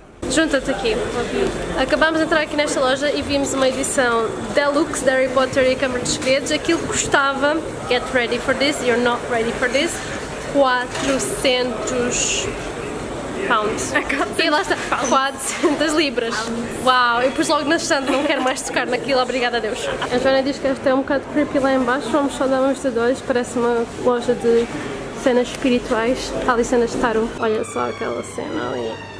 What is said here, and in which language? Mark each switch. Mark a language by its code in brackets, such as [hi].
[pt] Junta-te aqui. Acabámos de entrar aqui nesta loja e vimos uma edição deluxe de Harry Potter e a Câmara dos Segredos. Aquilo custava, [en] get ready for this, you're not ready for this, 400 pounds. [pt] E lá está, 400 libras. Uau, eu pus logo na estante, não quero mais tocar naquilo, obrigada a Deus. A Joana diz que esta é um bocado [en] creepy [pt] lá em baixo, vamos só dar uma vista de olhos, parece uma loja de cenas espirituais. Está ali cenas de tarot. Olha só aquela cena ali.